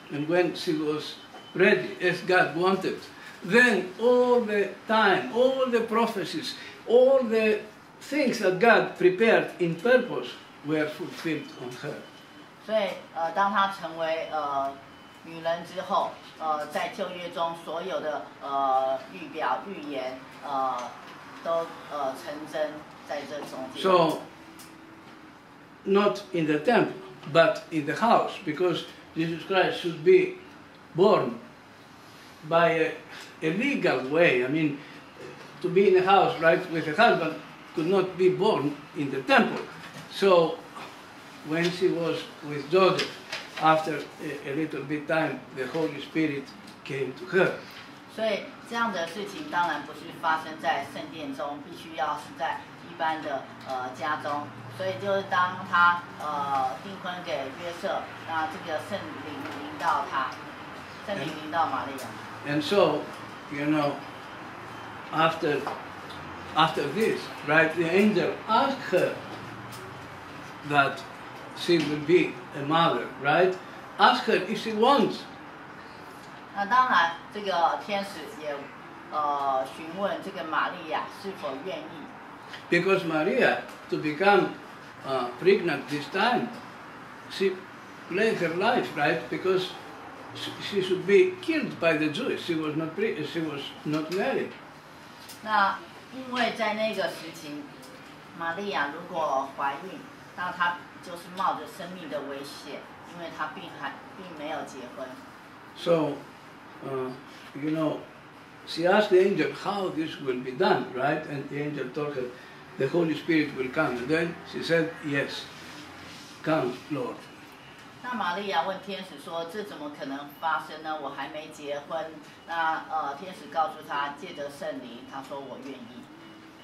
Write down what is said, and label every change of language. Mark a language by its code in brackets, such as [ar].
[en] and when she was ready, as God wanted, then all the time, all the prophecies, all the things that God prepared in purpose were fulfilled on her. [zh] 所以，当她成为女人之后，在旧约中所有的预表预言，都成真在这中间。 [en] So, not in the temple, but in the house, because Jesus Christ should be born by a legal way. I mean, to be in a house, right, with a husband, could not be born in the temple. So, when she was with Joseph, after a little bit time, the Holy Spirit came to her. [zh] 所以这样的事情当然不是发生在圣殿中，必须要是在一般的家中。所以就是当他订婚给约瑟，那这个圣灵临到他，圣灵临到玛利亚。 [en] And so, you know, after this, right, the angel asked her that she would be a mother, right? Ask her if she wants. [zh] 那当然，这个天使也询问这个玛利亚是否愿意。 [en] Because Maria to become pregnant this time, she laid her life, right? Because she should be killed by the Jews. She was not married. [zh] 那因为在那个时期，玛利亚如果怀孕，那她就是冒着生命的危险，因为她并没有结婚。 [en] So, you know, she asked the angel how this will be done, right? And the angel told her, the Holy Spirit will come. And then she said, yes, come, Lord. [zh] 那玛利亚问天使说：“这怎么可能发生呢？我还没结婚。那”那天使告诉他：“借着圣灵，他说我愿意。”